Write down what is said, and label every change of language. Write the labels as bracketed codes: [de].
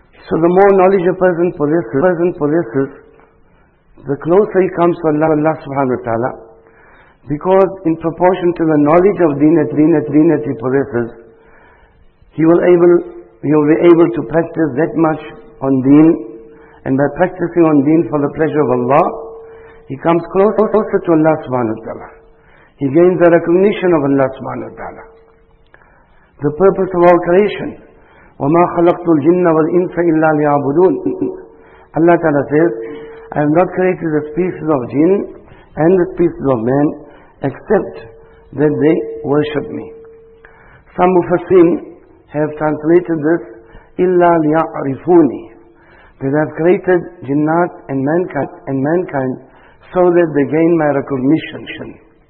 [en] So the more knowledge a person possesses, the closer he comes to Allah subhanahu wa ta'ala, because in proportion to the knowledge of deen that he possesses, he will be able to practice that much on deen, and by practicing on deen for the pleasure of Allah, he comes closer to Allah subhanahu wa ta'ala. He gains the recognition of Allah subhanahu wa ta'ala. The purpose of all creation, [ar] وَمَا خَلَقْتُ الْجِنَّ وَالْإِنْسَ إِلَّا لِيَعْبُدُونَ. [en] Allah ta'ala says, I have not created the species of jinn and the species of man except that they worship me. Some mufassirin have translated this, illa liya'rifuni, that I have created jinnat and mankind so that they gain my recognition.